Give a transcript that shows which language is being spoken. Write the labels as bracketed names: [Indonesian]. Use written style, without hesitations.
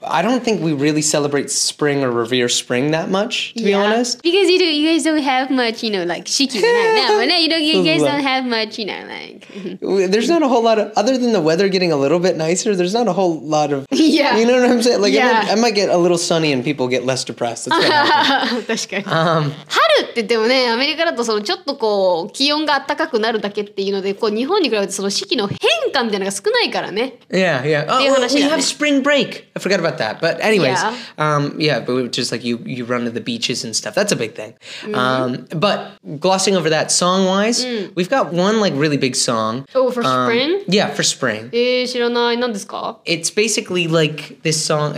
[English] I don't think we really celebrate spring or revere spring that much, to be honest. Because you guys don't have much, you know, like... There's not a whole lot of... Other than the weather getting a little bit nicer, there's not a whole lot of... Yeah. You know what I'm saying? Like, yeah. I might get a little sunny and people get less depressed. [Japanese] That's 確かに。春って言ってもね、アメリカだとそのちょっとこう気温が高くなるだけっていうので、こう日本に比べてその四季の変化みたいなのが少ない [English] Yeah. Oh, we have spring break. I forgot about that. But anyways, but we just like you run to the beaches and stuff. That's a big thing. Mm-hmm. But glossing over that song wise, we've got one like really big song. Oh, for spring? Yeah, for spring. It's basically like this song.